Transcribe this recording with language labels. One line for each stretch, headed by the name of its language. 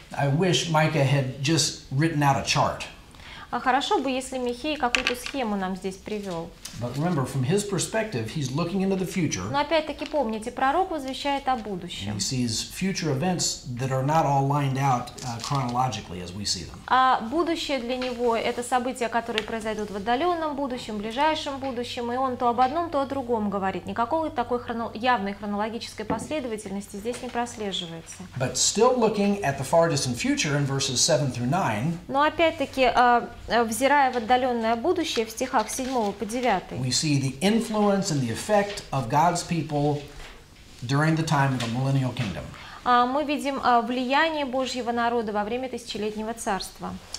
English: I wish Micah had just written out a chart.
Russian: Хорошо бы, если Михей какую-то схему нам здесь привел.
English: But remember, from his perspective, he's looking into the future.
Russian: Но опять-таки помните, пророк возвещает о будущем.
English: And he sees future events that are not all lined out chronologically as we see them.
Russian: А будущее для него — это события, которые произойдут в отдаленном будущем, ближайшем будущем, и он то об одном, то о другом говорит. Никакой такой явной хронологической последовательности здесь не прослеживается.
English: But still looking at the far distant future in verses 7 through 9.
Russian: Но опять-таки взирая в отдаленное будущее в стихах 7 по 9.
English: We see the influence and the effect of God's people during the time of the millennial kingdom.
Russian: Мы видим влияние Божьего народа во время тысячелетнего царства.